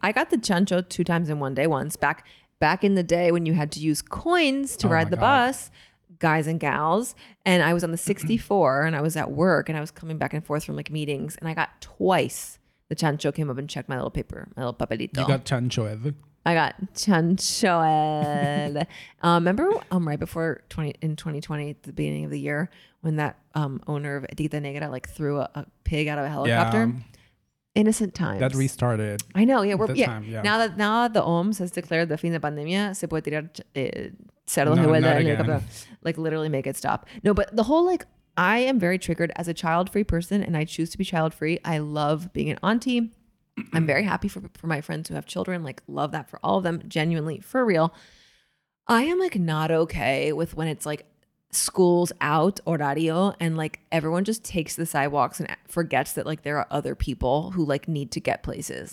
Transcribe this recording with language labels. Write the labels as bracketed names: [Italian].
[English] I got the chancho 2 times in one day once back back in the day when you had to use coins to ride the bus, guys and gals, and I was on the 64 and I was at work and I was coming back and forth from like meetings, and I got twice the chancho came up and checked my little paper, my little papelito. You got chancho ever? I got chancho. remember right before in 2020, at the beginning of the year, when that owner of Etiqueta Negra like threw a pig out of a helicopter? Yeah. Innocent times. That restarted. I know. Yeah. Now the OMS has declared the [Spanish] fin de pandemia, se puede tirar cerdo de vuelta en el helicóptero. [English] Like literally make it stop. No, but the whole like, I am very triggered as a child-free person and I choose to be child-free. I love being an auntie. I'm very happy for my friends who have children. Like, love that for all of them. Genuinely, for real. I am like not okay with when it's like school's out, horario, and like everyone just takes the sidewalks and forgets that like there are other people who like need to get places.